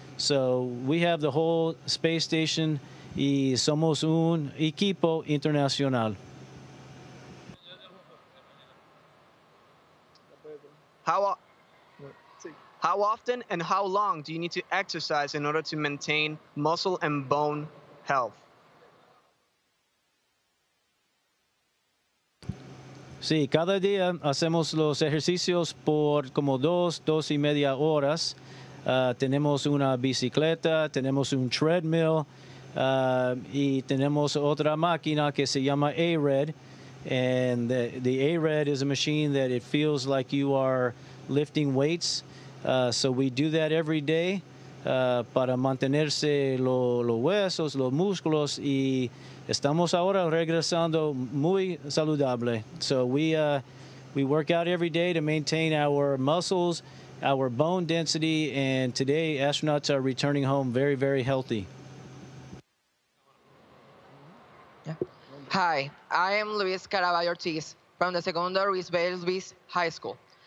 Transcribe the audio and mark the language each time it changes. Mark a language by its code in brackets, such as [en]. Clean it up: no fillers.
[en] So we have the whole space station. [es] Y somos un equipo internacional. [en] How often and how long do you need to exercise in order to maintain muscle and bone health? [es] Sí, cada día hacemos los ejercicios por como 2 y media horas. Tenemos una bicicleta, tenemos un treadmill, y tenemos otra máquina que se llama A-RED. [en] And the A-RED is a machine that it feels like you are lifting weights. So we do that every day. [es] Para mantenerse los huesos, los músculos, y estamos ahora regresando muy saludable. [en] So we work out every day to maintain our muscles, our bone density, and today astronauts are returning home very, very healthy. Hi, I am Luis Caraballo Ortiz from the Segundo Ruiz Belvis High School.